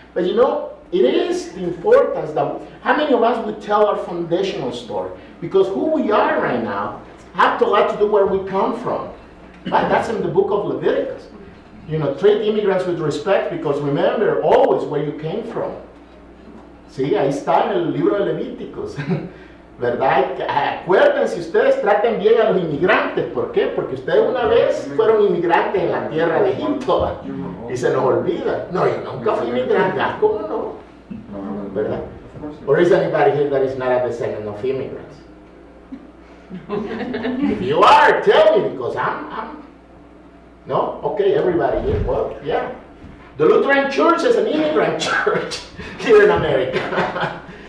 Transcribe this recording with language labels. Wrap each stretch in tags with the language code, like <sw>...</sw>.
<en>But you know, it is the importance that how many of us would tell our foundational story? Because who we are right now have a lot to do where we come from. Right? That's in the book of Leviticus. You know, treat immigrants with respect because remember always where you came from.</en> <es>See, ahí está en el libro de Leviticus. ¿Verdad? Acuérdense, ustedes traten bien a los inmigrantes. ¿Por qué? Porque ustedes una vez fueron inmigrantes en la tierra de Egipto. Y se nos olvida. No, yo nunca fui inmigrante. ¿Cómo no? ¿Verdad?</es> <en>Or is anybody here that is not a descendant of immigrants? If you are, tell me, because I'm No? Okay, everybody. Yeah, well, yeah. The Lutheran Church is an immigrant church here in America.</en>